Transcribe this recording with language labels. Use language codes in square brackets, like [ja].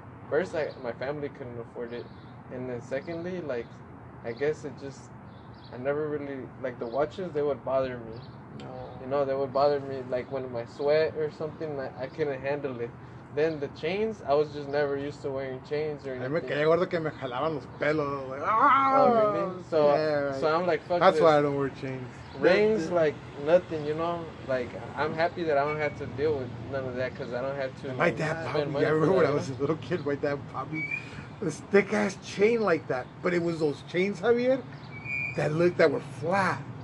[en] First, my family couldn't afford it. And then secondly, like, I guess it just, I never really, like, the watches, they would bother me. No. You know, they would bother me, like, when my sweat or something, I couldn't handle it. Then the chains, I was just never used to wearing chains or anything. [es] Me quedé gordo que me jalaban los pelos. [en] So I'm like, fuck that's this. That's why I don't wear chains. Rings, like, nothing, you know? Like, I'm happy that I don't have to deal with none of that because I don't have to. My dad popped me. I remember when I was a little kid, my dad popped me this thick ass chain like that. But it was those chains, Javier, that were flat.